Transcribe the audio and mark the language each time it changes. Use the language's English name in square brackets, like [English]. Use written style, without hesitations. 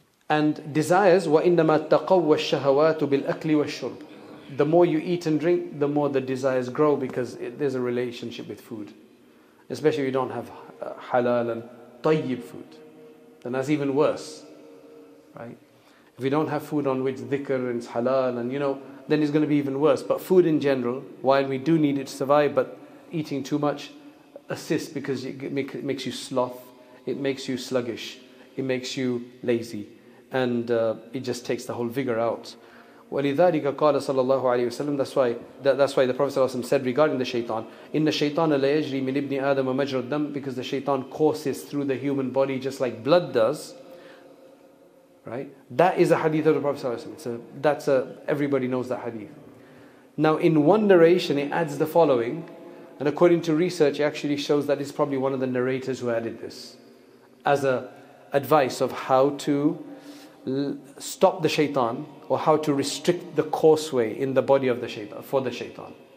[English] And desires, [Arabic] وَإِنَّمَا تَقَوَّ الشَّهَوَاتُ بِالْأَكْلِ وَالشُّرْبِ. [English] The more you eat and drink, the more the desires grow, because there's a relationship with food. Especially if you don't have halal and tayyib food, then that's even worse, right? If you don't have food on which dhikr and halal, and you know, then it's going to be even worse. But food in general, while we do need it to survive, but eating too much assists, because it makes you sloth, it makes you sluggish, it makes you lazy, and it just takes the whole vigor out. [Arabic] وَلِذَٰلِكَ قَالَ صَلَى اللَّهُ عَلَيْهِ وَسَلَّمَ. [English] That's why the Prophet ﷺ said regarding the shaitan, [Arabic] إِنَّ الشَّيْطَانَ لَيَجْرِي مِنْ إِبْنِ آدَمَ مَجْرَ الدَّمِ. [English] Because the shaitan courses through the human body just like blood does. Right? That is a hadith of the Prophet ﷺ. Everybody knows that hadith. Now in one narration it adds the following, and according to research it actually shows that it's probably one of the narrators who added this as a advice of how to stop the shaitan, or how to restrict the causeway in the body of the shaitan, for the shaitan.